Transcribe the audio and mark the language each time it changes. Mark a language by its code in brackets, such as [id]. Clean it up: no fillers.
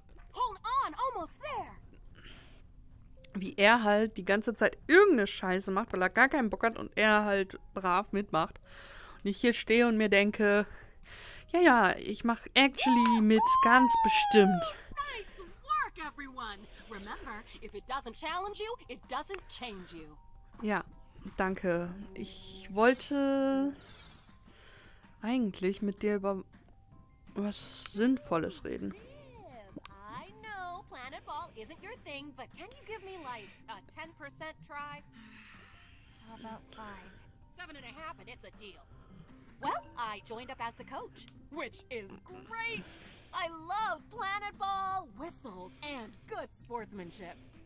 [en] Hold on, almost there. [de] Wie er halt die ganze Zeit irgendeine Scheiße macht, weil er gar keinen Bock hat und er halt brav mitmacht. Und ich hier stehe und mir denke, ja, ja, ich mach actually mit, ganz bestimmt. [en] Nice work, everyone. Remember, if it doesn't challenge you, it doesn't change you. [de] Ja, danke. Ich wollte eigentlich mit dir über was Sinnvolles reden. [en] I know Planet Ball isn't your thing, but can you give me like a 10% try? How about 5? 7.5 and it's a deal. Well, I joined up as the coach, which is great. I love Planet Ball, whistles and good sportsmanship.